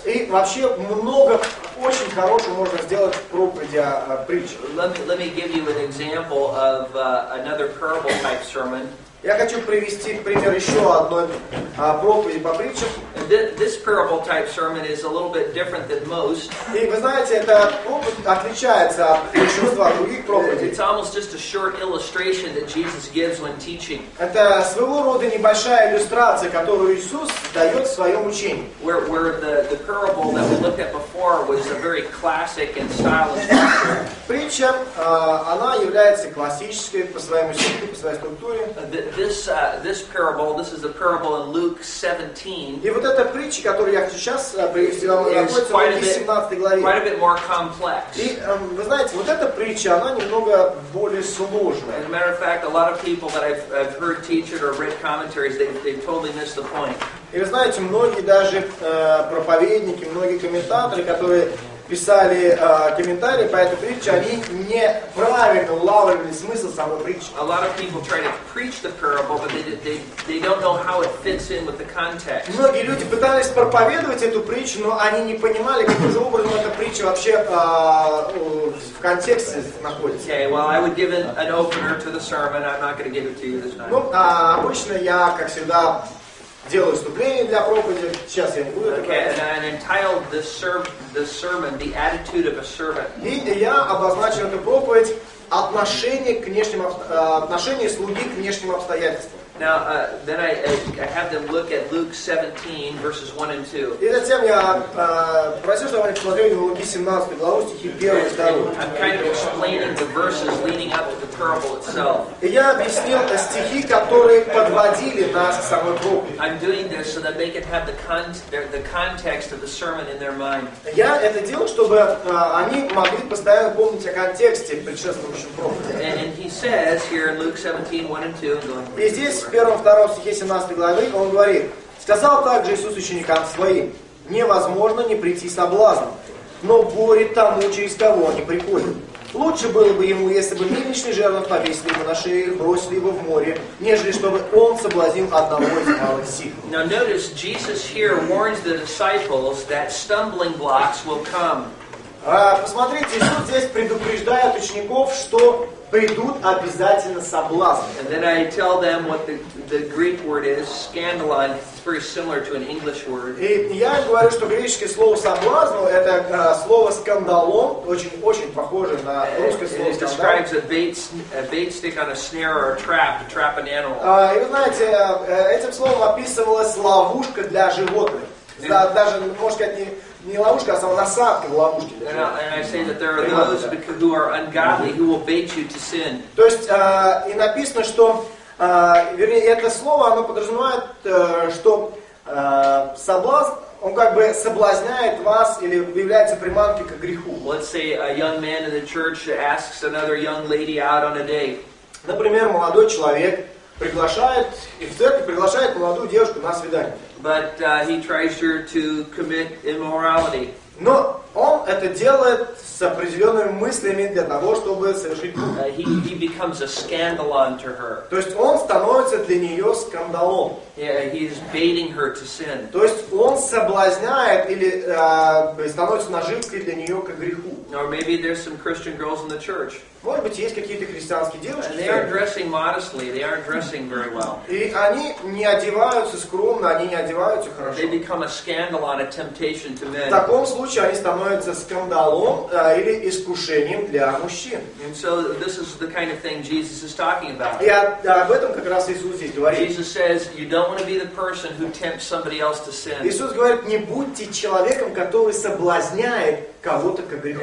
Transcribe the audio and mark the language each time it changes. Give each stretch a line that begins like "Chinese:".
Russian: И вообще много очень хорошего можно сделать в проповеди о притчах.
English: Let me give you an example of another parable type sermon.
Russian: Я хочу привести пример еще одной проповеди по притчам.
English: This parable type sermon is a little bit different than most.
Russian: И вы знаете, это опыт отличается от большинства других проповедей.
English: It's almost just a short illustration that Jesus gives when teaching.
Russian: Это своего рода небольшая иллюстрация, которую Иисус дает в своем учении.
English: Where the parable that we looked at before was a very classic and stylish
Russian: притча, она является классической по своему стилю, по своей структуре.
English: This parable, this is the parable in Luke 17.
Russian: И вот эта притча, которую я сейчас привести вам, находится в 17 главе.
English: Quite a bit more complex.
Russian: И, вы знаете, вот эта притча, она немного более сложная.
English: As a matter of fact, a lot of people that I've heard teach it or read commentaries, they totally missed the point.
Russian: И вы знаете, многие даже проповедники, многие комментаторы, которые писали комментарии по этой притче, они неправильно улавливали смысл самой притчи.
English: A lot of people try to preach the parable, but they don't know how it fits in with the context.
Russian: Многие люди пытались проповедовать эту притчу, но они не понимали, каким же образом эта притча вообще в контексте находится.
English: Okay, well, I would give an opener to the sermon. I'm not going to give it to you this time.
Russian: Ну, обычно я, как всегда, делаю вступление для проповеди. Сейчас я не буду.
English: Okay, and I entitled this sermon "The Attitude of a Servant".
Russian: И я обозначил эту проповедь отношение слуги к внешним обстоятельствам.
English: Now, then I have them look at Luke 17 verses 1 and 2.
Russian: И затем я просил, чтобы они посмотрели на Луки 17 главу, стихи 1 и 2.
English: I'm kind of explaining the verses leading up to the parable itself.
Russian: И я объяснил стихи, которые подводили нас к самой проповеди.
English: I'm doing this so that they can have the context of the sermon in their mind.
Russian: Я это делал, чтобы они могли постоянно помнить о контексте предшествующем проповеди.
English: And he says here in Luke 17, 1 and 2, going.
Russian: Здесь, в 1-2 стихе 17 главы, он говорит: «Сказал также Иисус ученикам Своим, невозможно не прийти соблазном, но горе тому, через кого они приходят. Лучше было бы ему, если бы мельничный жернов повесили ему на шею и бросили его в море, нежели чтобы он соблазнил одного из малых сих».
English: Now notice, Jesus here warns the disciples that stumbling blocks will come.
Russian: Посмотрите, Иисус здесь предупреждает учеников, что придут обязательно соблазны.
English: And then I tell them what the Greek word is, scandalon. It's very similar to an English word.
Russian: И я говорю, что греческое слово соблазну это слово скандалон, очень-очень похоже на русское слово скандал.
English: It describes a bait stick on a snare or a trap an animal.
Russian: И вы знаете, этим словом описывалась ловушка для животных. Даже, можно сказать, не ловушка, а сама насадка в ловушке.
English: And I say that there are those who are ungodly who will bait you to sin.
Russian: То есть, и написано, что, вернее, это слово, оно подразумевает, что соблазн, он как бы соблазняет вас или является приманкой к греху.
English: Let's say a young man in the church asks another young lady out on a date.
Russian: Например, молодой человек приглашает, и в церкви приглашает молодую девушку на свидание.
English: But he tries her to commit immorality.
Russian: Но он это делает с определенными мыслями для того, чтобы совершить.
English: He becomes a scandal unto her.
Russian: То есть он становится для нее скандалом.
English: Yeah, he is baiting her to sin.
Russian: То есть он соблазняет или становится наживкой для нее к греху.
English: Or maybe there's some Christian girls in the church.
Russian: Может быть, есть какие-то христианские девушки.
English: And they are dressing modestly. They aren't dressing very well.
Russian: И они не одеваются скромно, они не одеваются хорошо.
English: They become a scandal on a temptation to men.
Russian: В таком случае они становятся скандалом или искушением для мужчин.
English: And so this is the kind of thing Jesus is talking about.
Russian: И об этом как раз Иисус здесь говорит.
English: Jesus says, you don't want to be the person who tempts somebody else to sin.
Russian: Иисус говорит, не будьте человеком, который соблазняет кого-то к греху.